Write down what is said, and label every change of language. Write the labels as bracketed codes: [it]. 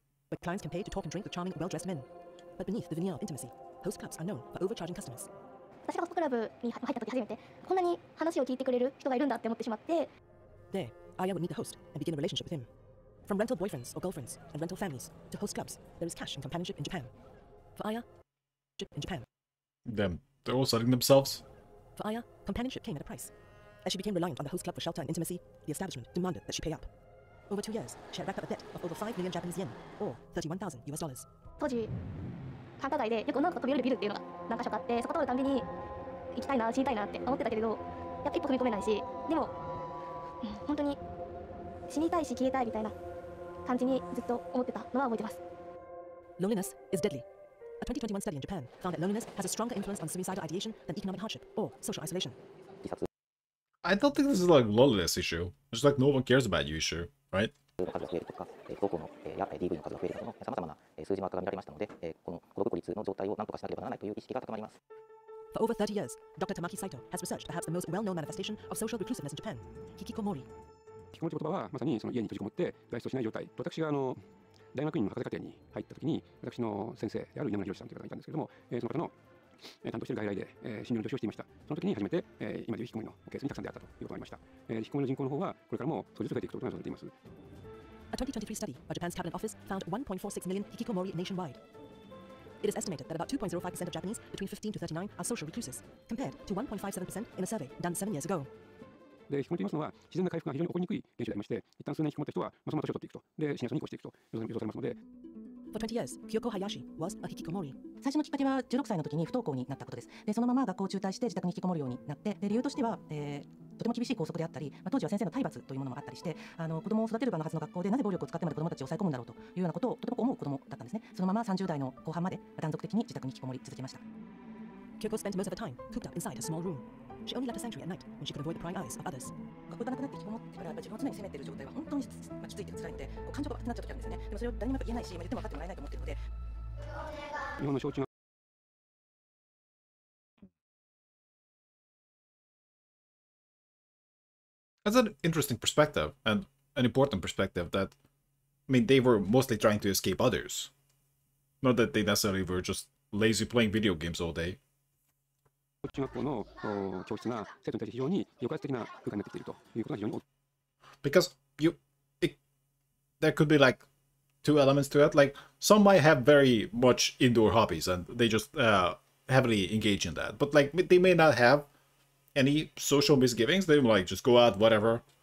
[en] But clients can pay to talk and drink with charming, well-dressed men. But beneath the veneer of intimacy. Host clubs are known for overcharging customers. [ja] 私がホストクラブに入った時初めて、こんなに話を聞いてくれる人がいるんだって思ってしまって。 [en] There, Aya would meet the host and begin a relationship with him. From rental boyfriends or girlfriends and rental families to host clubs, there is cash and companionship in Japan. For Aya, ship in Japan. Damn, they're all selling themselves. For Aya, companionship came at a price. As she became reliant on the host club for shelter and intimacy, the establishment demanded that she pay up. Over 2 years, she had racked up a debt of over 5 million Japanese yen, or 31,000 US dollars. [ja] 当時繁華街でよく女の子が飛び降りるビルっていうのが何か所かあって、そこ通るたびに行きたいな、死にたいなって思ってたけれど、やっぱ一歩踏み込めないし、でも本当に死にたいし消えたいみたいな感じにずっと思ってたのは覚えてます。 [en] Loneliness is deadly. A 2021 study in Japan found that loneliness has a stronger influence on suicidal ideation than economic hardship or social isolation. I don't think this is like loneliness issue. It's like no one cares about you issue, right? [ja] 数が増えるとか、不登校のや DV の数が増えるなどの様々な数字マークが見られましたので、この孤独孤立の状態を何とかしなければならないという意識が高まります。 [en] For over 30 years, Dr. Tamaki Saito has researched perhaps the most well-known manifestation of social reclusiveness in Japan, Hikikomori. [ja] 引きこもり言葉はまさにその家に閉じこもって外出しない状態。私があの大学院の博士課程に入った時に、私の先生である稲村博さんという方がいたんですけども、その方の担当している外来で診療の調子をしていました。その時に初めて、今でいう引きこもりのケースにたくさん出会ったということがありました。引きこもりの人口の方はこれからも少しずつ増えていくことが予想されています。 [en] A 2023 study by Japan's Cabinet Office found 1.46 million hikikomori nationwide. It is estimated that about 2.05% of Japanese between 15 to 39 are social recluses, compared to 1.57% in a survey done 7 years ago. [ja] で、引きこもりますのは自然な回復が非常に起こりにくい現象でありまして、一旦数年引きこもった人はまた年を取っていくと、で、シニアに越していくと予想されますので。 [en] For 20 years, Kyoko Hayashi was a hikikomori. [ja] 最初のきっかけは16歳の時に不登校になったことです。で、そのまま学校を中退して自宅に引きこもるようになって、で、理由としては、とても厳しい校則であったり、当時は先生の体罰というものもあったりして、子供を育てる場のはずの学校でなぜ暴力を使ってまで子供たちを抑え込むんだろうというようなことをとても思う子供だったんですね。そのまま30代の後半まで断続的に自宅に引きこもり続けました。 [en] Kyoko spent most of the time cooped up inside a small room. She only left the sanctuary at night when she could avoid the prying eyes of others. [ja] 学校がなくなって引きこもってから、自分を常に責めている状態は本当につまきついて辛いんで、こう感情が悪くなっちゃう時あるんですね。でもそれを誰にも言えないし、言っても分かってもらえないと思っているので。日本の小中 [en] That's an interesting perspective and an important perspective that, I mean, they were mostly trying to escape others. Not that they necessarily were just lazy playing video games all day. [ja] 中学校の教室が生徒に対して非常に抑圧的な空間になってきているということが非常に [en] Because you, it, there could be like two elements to it. Like some might have very much indoor hobbies and they just heavily engage in that. But like they may not have.Any social misgivings, they like just go out, whatever.